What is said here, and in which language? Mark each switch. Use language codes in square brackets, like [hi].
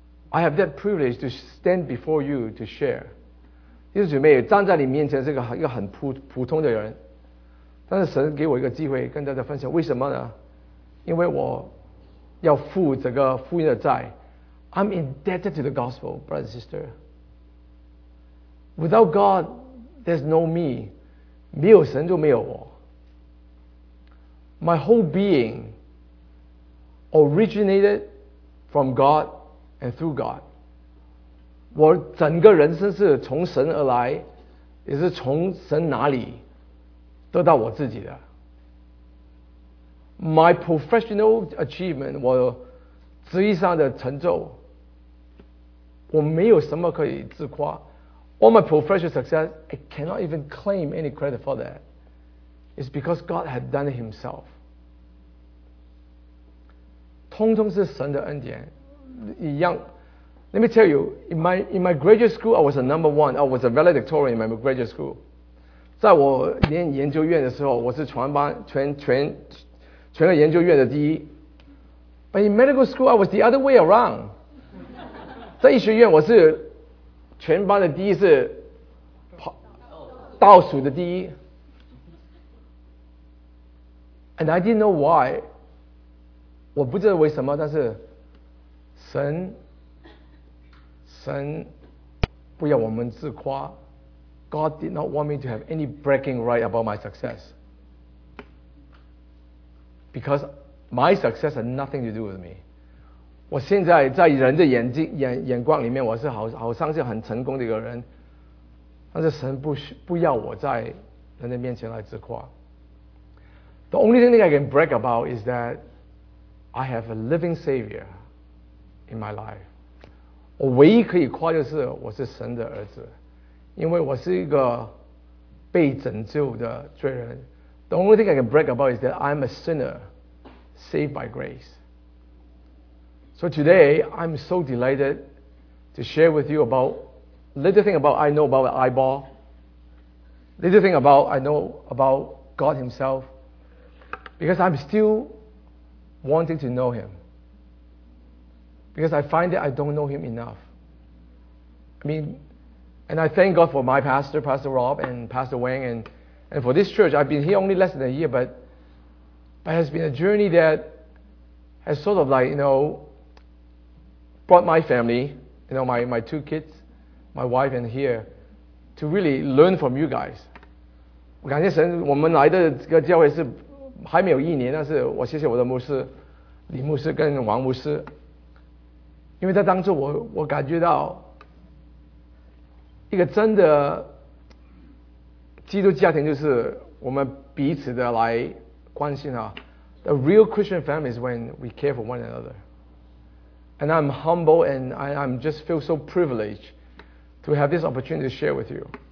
[en] I have that privilege to stand before you to share. [zh] 弟兄姊妹，站在你面前是一个很普通的人，但是神给我一个机会跟大家分享，为什么呢？因为我要付这个福音的债。 [en] I'm indebted to the gospel, brother and sister. Without God, there's no me. [zh] 没有神就没有我。 [en] My whole being originated from God. And through God. [zh] 我整个人生是从神而来，也是从神哪里得到我自己的。 [en] My professional achievement, [zh] 我职业上的成就，我没有什么可以自夸。 [en] All my professional success, I cannot even claim any credit for that. It's because God had done it himself. [zh] 通通是神的恩典。一样。 [en] Let me tell you, in my graduate school, I was a number one. I was a valedictorian in my graduate school. [zh] 在我念研究院的时候，我是全班全个研究院的第一。 [en] But in medical school, I was the other way around. [zh] 在医学院，我是全班的第一，是倒数的第一。 [en] And I didn't know why. [zh] 我不知道为什么，但是神不要我们自夸。 [en] God did not want me to have any bragging right about my success. Because my success had nothing to do with me. [zh] 我现在在人的眼光里面，我是 好像是很成功的一个人，但是神 不要我在人的面前来自夸。 [en] The only thing I can brag about is that I have a living Savior in my life. [zh] 我唯一可以夸就是我是神的儿子，因为我是一个被拯救的罪人。 [en] The only thing I can brag about is that I'm a sinner saved by grace. So today, I'm so delighted to share with you about little thing about I know about the eyeball, little thing about I know about God himself, because I'm still wanting to know him. Because I find that I don't know him enough. I mean,And I thank God for my pastor, Pastor Rob, and Pastor Wang, and for this church. I've been here only less than a year, but it has been a journey that has sort of like, you know, brought my family, you know, my two kids, my wife, and here, to really learn from you guys. [zh] 我感谢神，我们来的这个教会是还没有一年，但是我谢谢我的牧师，李牧师跟王牧师，因为在当中我感觉到一个真的基督家庭，就是我们彼此的来关心啊。 [en] The real Christian family is when we care for one another. And I'm humble and I'm just feel so privileged to have this opportunity to share with you.